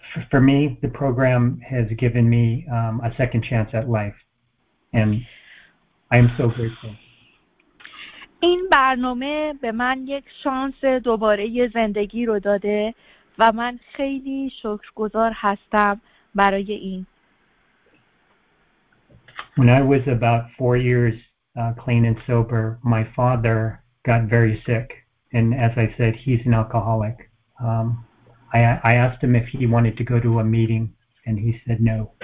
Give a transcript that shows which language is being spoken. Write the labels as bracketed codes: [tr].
[en] For me, the program has given me a second chance at life, and I am so grateful. [fa] این برنامه به من یک شانس دوباره زندگی رو داده و من خیلی شکرگزار هستم برای این. [en] When I was about 4 years clean and sober, my father got very sick, and as I said, he's an alcoholic. I asked him if he wanted to go to a meeting and he said no.